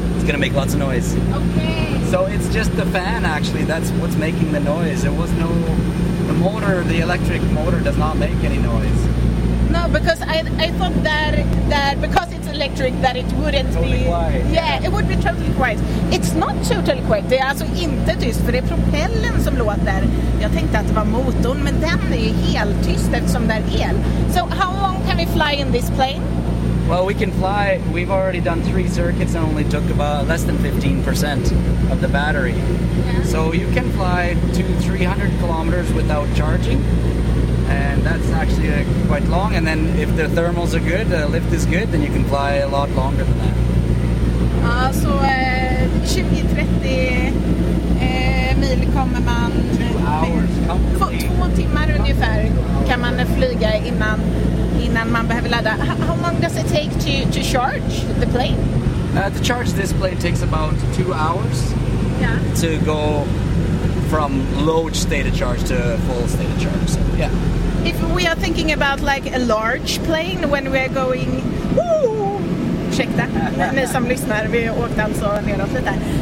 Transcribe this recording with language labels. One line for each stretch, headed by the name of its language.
English: it's going to make lots of noise. Okay. So it's just the fan, actually, that's what's making the noise. There was no... The motor, the electric motor, does not make any noise. No, because I thought that because it's electric, that it wouldn't totally quiet. Yeah, it would be totally quiet. It's not totally quiet.
Swedish: Det är alltså inte tyst, för det är propellen som låter. Jag tänkte att det var motorn, men den är ju helt tyst eftersom det är el.
English: So how long can we fly in this plane? Well, we can fly. We've already done 3 circuits and only took about less than 15% of the battery. Yeah. So you can fly 200-300 kilometers without charging. And that's actually quite long. And then if the thermals are good, the lift is good, then you can fly a lot longer than that.
Swedish: So 20-30 mil kommer man...
English: 2 hours, comfortably.
Swedish: 2 timmar ungefär kan man flyga innan man behöver ladda.
English: How long does it take to charge the plane? To charge this plane takes about 2 hours. Yeah. To go from low state of charge to full state of charge. So, yeah. If we are thinking about like a large plane when we are going, woo, check that.
Swedish: Ni som lyssnar, vi åkte alltså neråt lite.